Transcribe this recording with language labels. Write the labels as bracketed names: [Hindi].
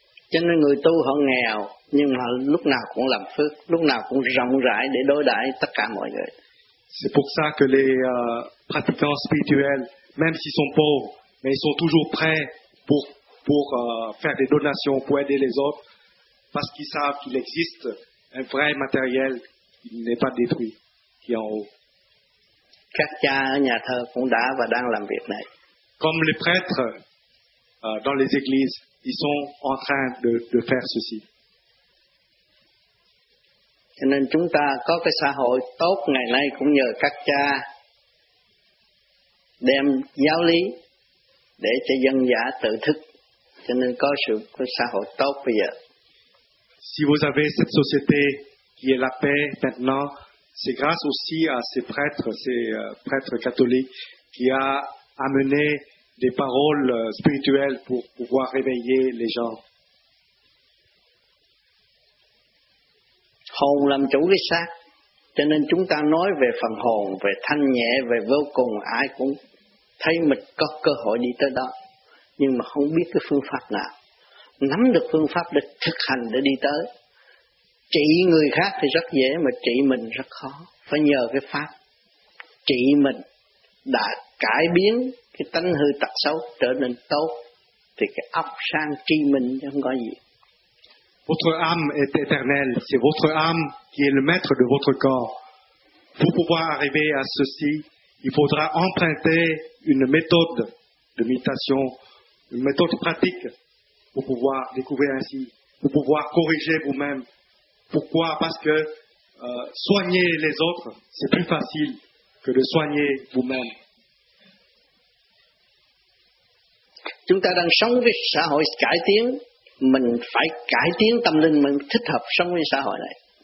[Vietnamese] Cho nên người tu họ nghèo, nhưng mà lúc nào cũng làm phước, lúc nào cũng rộng rãi để đối đãi tất cả mọi người. [French] C'est pour ça que les pratiquants spirituels, même s'ils sont pauvres, mais ils sont toujours prêts pour faire des donations, pour aider les autres, parce qu'ils savent qu'il existe un vrai matériel qui n'est pas détruit, qui est en haut. [Vietnamese] Các cha ở nhà thờ cũng đã và đang làm việc này. [French] Comme les prêtres dans les églises, ils sont en train de faire ceci. [Vietnamese] Cho nên chúng ta có cái xã hội tốt ngày nay cũng nhờ các cha đem giáo lý để cho dân giả tự thức. Cho nên có sự có xã hội tốt bây giờ. [French] Si vous avez cette société qui est la paix maintenant, c'est grâce aussi à ces prêtres catholiques qui a amené des paroles spirituelles pour pouvoir réveiller les gens. [Vietnamese] Hồn làm chủ cái xác, cho nên chúng ta nói về phần hồn, về thanh nhẹ, về vô cùng, ai cũng thấy mình có cơ hội đi tới đó, nhưng mà không biết cái phương pháp nào. Nắm được phương pháp để thực hành để đi tới. Trị người khác thì rất dễ, mà trị mình rất khó. Phải nhờ cái pháp trị mình đã cải biến cái tánh hư tật xấu trở nên tốt, thì cái óc sang trị mình không có gì. [French] Votre âme est éternelle, c'est votre âme qui est le maître de votre corps. Pour pouvoir arriver à ceci, il faudra emprunter une méthode de méditation, une méthode pratique pour pouvoir découvrir ainsi, pour pouvoir corriger vous-même. Pourquoi? Parce que soigner les autres, c'est plus facile que de soigner vous-même. [Vietnamese] Chúng ta đang sống với xã hội cải tiến. Mình phải cải tiến tâm linh mình thích hợp sống với xã hội này.